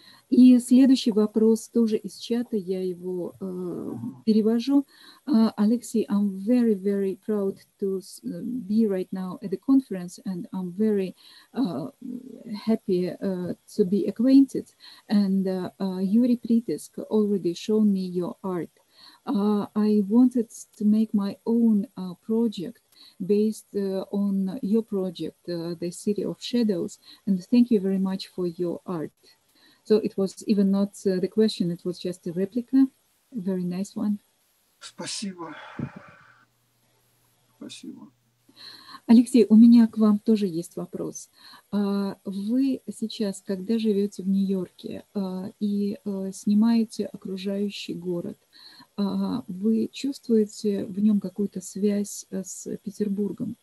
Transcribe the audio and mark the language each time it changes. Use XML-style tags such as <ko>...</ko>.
<ru>И следующий вопрос тоже из чата, я его перевожу.</ru> <en>Алексей, I'm very, very proud to be right now at the conference, and I'm very happy to be acquainted. And Yuri Pritisk already showed me your art. I wanted to make my own project based on your project, The City of Shadows, and thank you very much for your art. So it was even not the question, it was just a replica, a very nice one.</en> <ru>Спасибо. Спасибо. Алексей, у меня к вам тоже есть вопрос. Вы сейчас, когда живете в Нью-Йорке и снимаете окружающий город, вы чувствуете в нем какую-то связь с Петербургом?</ru>